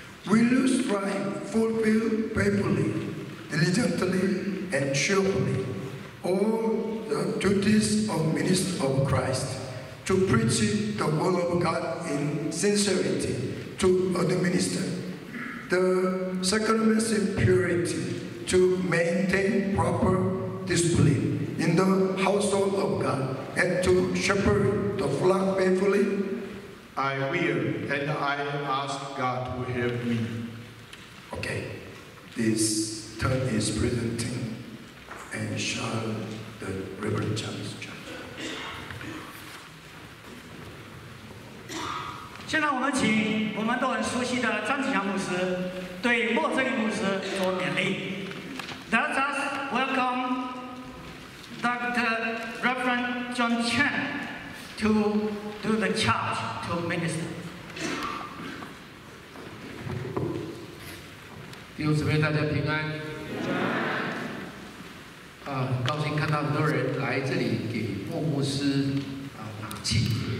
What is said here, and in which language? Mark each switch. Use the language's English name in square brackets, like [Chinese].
[English] Will you strive, fulfill faithfully, diligently, and cheerfully all the duties of minister of Christ, to preach the word of God in sincerity, to administer the sacraments in purity, to maintain proper discipline in the household of God, and to shepherd the flock faithfully? I will, and I ask God to help me. Okay, this turn is presenting and shall the Reverend Charles Church. [Chinese] 现在我们请我们都很熟悉的张启强牧师对莫正义牧师做勉励。 [English] Let us welcome Dr. Reverend John Chen to do the charge to minister. [Chinese] 弟兄姊妹大家平安，高兴看到很多人来这里给莫牧师打气。